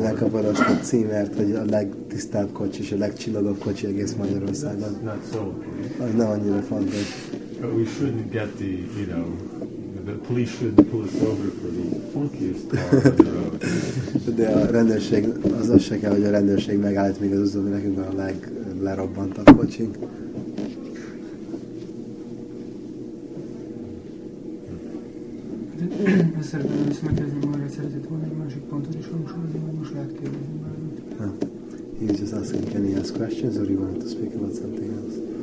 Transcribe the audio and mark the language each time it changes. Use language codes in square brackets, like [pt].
[hu] lekapod azt a címert, hogy a legtisztább kocsi és a legcsillagabb kocsi egész Magyarországon. Az nem annyira fontos. [en] But we shouldn't get the, you know, the police shouldn't pull us over for the funkiest car on the road. [hu] De a rendőrség, az az se kell, hogy a rendőrség megállít még az úton, hogy nekünk van a leglerobbantabb kocsink. De szeretném visszamegyezni, hogy majd szeretett volna egy másik pontot is hangsúlyozni, hogy most lehet kérdezni valamit. [en] He was just asking, can he ask questions or you wanted to speak about something else?